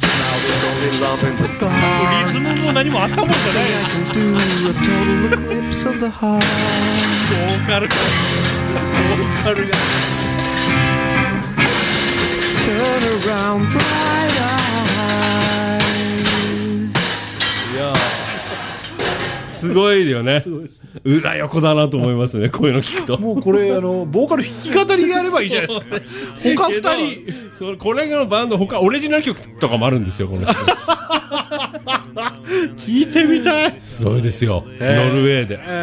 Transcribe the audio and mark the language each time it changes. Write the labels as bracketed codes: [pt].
[en] Now there's only love in the dark. [ja] リズムも何もあったもんじゃない。 [en] I can do a total eclipse of the heart. [ja] ボーカルが、ボーカルが。 [en] Turn around bright eyes. [ja] いやすごいよね。すごいですね。裏横だなと思いますね。こういうの聞くと。もうこれボーカル弾き語りやればいいじゃないですか。他2人。これのバンド他オリジナル曲とかもあるんですよ。この人。聞いてみたい。すごいですよ。ノルウェーで。